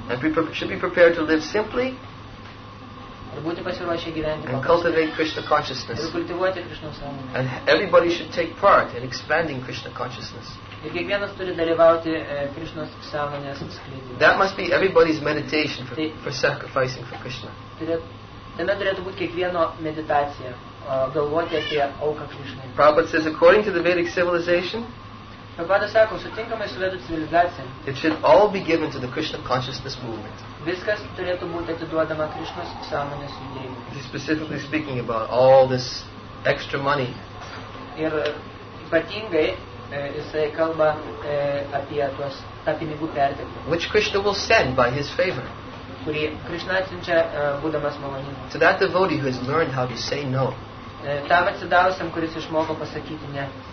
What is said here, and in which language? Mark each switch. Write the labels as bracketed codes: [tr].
[en] And we should be prepared to live simply and cultivate Krishna consciousness. [lt] Ir kultivuoti Krishna sąmonę. [en] And everybody should take part in expanding Krishna consciousness. [lt] Ir kiekvienas turi dalyvauti Krishna sąmonės skleidime. [en] That must be everybody's meditation for sacrificing for Krishna. [lt] Tame turėtų būti kiekvieno meditacija. Galvoti apie auką Krishnai. [en] Prabhupada says, according to the Vedic civilization, [lt] Prabhupada sako, sutinkamai su Vedų civilizacija, [en] it should all be given to the Krishna consciousness movement. [lt] Viskas turėtų būti atiduodama Krishnos sąmonės judėjimui. [en] He's specifically speaking about all this extra money. [lt] Ir ypatingai jisai kalba apie tuos tą pinigų perteklių. [en] Which Krishna will send by his favor. [lt] Kurį Krishna atsiunčia būdamas maloningas. [en] To that devotee who has learned how to say no. [lt] Tam atsidavusiam, kuris išmoko pasakyti ne.